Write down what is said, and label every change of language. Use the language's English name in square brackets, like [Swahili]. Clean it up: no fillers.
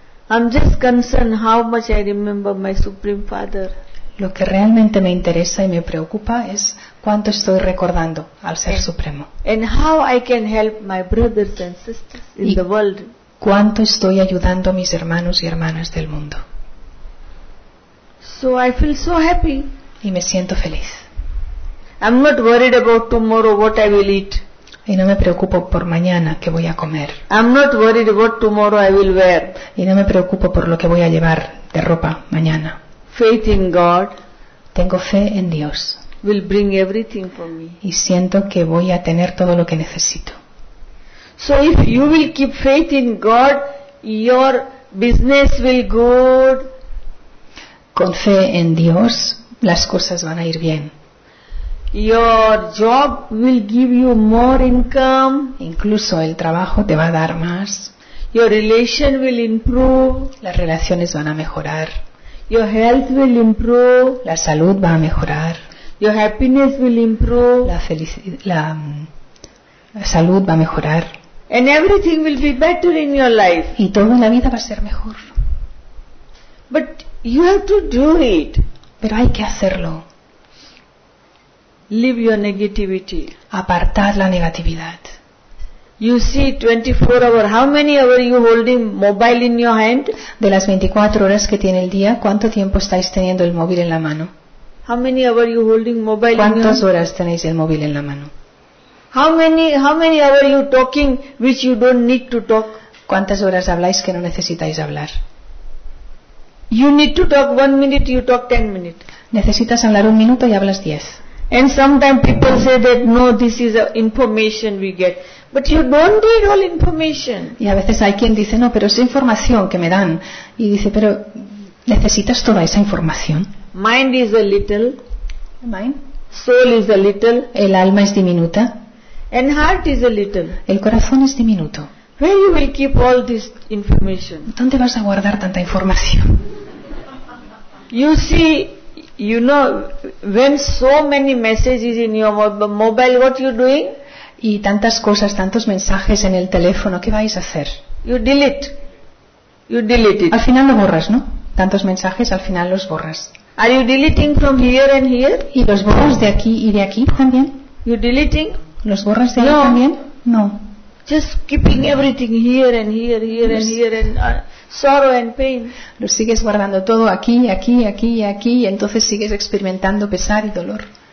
[English] I'm just concerned how much I remember my Supreme Father. [Spanish] Lo que realmente me interesa y me preocupa es cuánto estoy recordando al Ser Supremo. [English] And how I can help my brothers and sisters in the world. [Spanish] ¿cuánto estoy ayudando a mis hermanos y hermanas del mundo? [English] So I feel so happy. [Spanish] Y me siento feliz. [English] I'm not worried about tomorrow what I will eat. [Spanish] Y no me preocupo por mañana qué voy a comer. [English] I'm not worried about tomorrow I will wear. [Spanish] Y no me preocupo por lo que voy a llevar de ropa mañana. [English] Faith in God. [Spanish] Tengo fe en Dios. [English] Will bring everything for me. [Spanish] Y siento que voy a tener todo lo que necesito. [English] So if you will keep faith in God, your business will go. [Spanish] Con fe en Dios, las cosas van a ir bien. [English] Your job will give you more income. [Spanish] Incluso el trabajo te va a dar más. [English] Your relation will improve. [Spanish] Las relaciones van a mejorar. [English] Your health will improve. [Spanish] La salud va a mejorar. [English] Your happiness will improve. [Spanish] La salud va a mejorar. [English] And everything will be better in your life. [Spanish] Y todo en la vida va a ser mejor. [English] But you have to do it. [Spanish] Pero hay que hacerlo. [English] Leave your negativity. [Spanish] Apartad la negatividad. [English] You see 24 hours, how many hours you holding mobile in your hand? [Spanish] De las 24 horas que tiene el día, ¿cuánto tiempo estáis teniendo el móvil en la mano? [English] How many hours you holding mobile in your hand? [Spanish] ¿Cuántas horas tenéis el móvil en la mano? [English] How many hours you talking which you don't need to talk? [Spanish] ¿Cuántas horas habláis que no necesitáis hablar? [English] You need to talk 1 minute, you talk 10 minutes. [Spanish] Necesitas hablar un minuto y hablas 10. [English] And sometimes people say that no, this is the information we get, but you don't need all information. [Spanish] Y a veces hay quien dice no, pero es información que me dan, y dice pero necesitas toda esa información. [English] Mind is a little. Mind. Soul is a little. [Spanish] El alma es diminuta. [English] And heart is a little. [Spanish] El corazón es diminuto. [English] Where you will keep all this information? [Spanish] ¿Dónde vas a guardar tanta información? [English] You see. You know, when so many messages in your mobile, what you doing? [Spanish] Y tantas cosas, tantos mensajes en el teléfono, ¿qué vais a hacer? [English] You delete it. [Spanish] Al final lo borras, ¿no? Tantos mensajes, al final los borras. [English] Are you deleting from here and here? [Spanish] ¿Y los borras de aquí y de aquí también? [English] You deleting? [Spanish] ¿Los borras de ahí también? No. [English] Just keeping everything here and here, here and here and. Sorrow and pain. [Spanish] Lo sigues guardando todo aquí, aquí, aquí, aquí, y entonces sigues experimentando pesar y dolor.